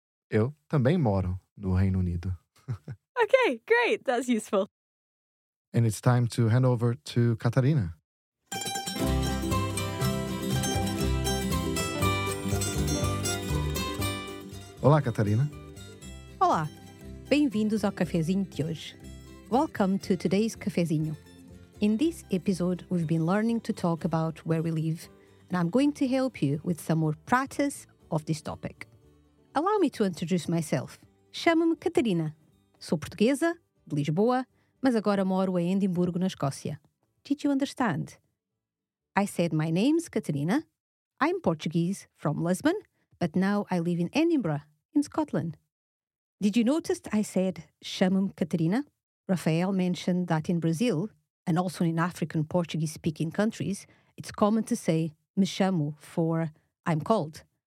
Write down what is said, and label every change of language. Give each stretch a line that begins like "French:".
Portuguese: Eu também moro no Reino Unido.
English: Okay, great. That's useful. And it's time to hand over to Catarina.
Portuguese: Olá, Catarina. Olá. Bem-vindos ao cafezinho de hoje.
English: Welcome to today's cafezinho. In this episode, we've been learning to talk about where we live, and I'm going to help you with some more practice of this topic. Allow me to introduce myself.
Portuguese: Chamo-me Catarina. Sou portuguesa, de Lisboa, mas agora moro em Edimburgo, na Escócia.
English: Did you understand? I said my name's Catarina. I'm Portuguese, from Lisbon, but now I live in Edinburgh, in Scotland. Did you notice I said,
Portuguese: chamo-me Catarina?
English: Rafael mentioned that in Brazil, and also in African Portuguese-speaking countries, it's common to say,
Portuguese: me chamo,
English: for I'm called.